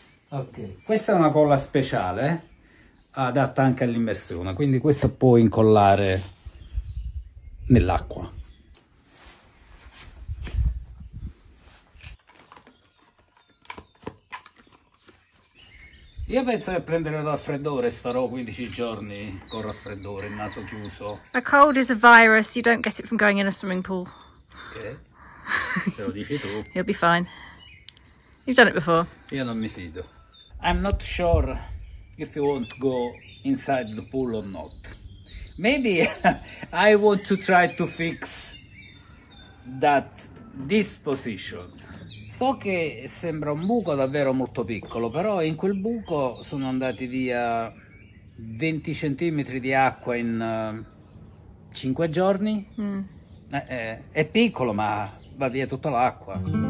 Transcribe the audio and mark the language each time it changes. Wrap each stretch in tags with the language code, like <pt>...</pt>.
<it>Ok, questa è una colla speciale, adatta anche all'immersione, quindi questo può incollare nell'acqua. Io penso che prenderò il raffreddore, starò 15 giorni con il raffreddore, il naso chiuso.</it> <en>A cold is a virus, you don't get it from going in a swimming pool.</en> <it>Ok, te lo dici tu.</it> <en>You'll be fine. You've done it before.</en> <it>Io non mi fido.</it> <en>I'm not sure if you want to go inside the pool or not. Maybe I want to try to fix that disposition.</en> <it>So che sembra un buco davvero molto piccolo, però in quel buco sono andati via 20 centimetri di acqua in 5 giorni. Mm. È piccolo, ma va via tutta l'acqua.</it>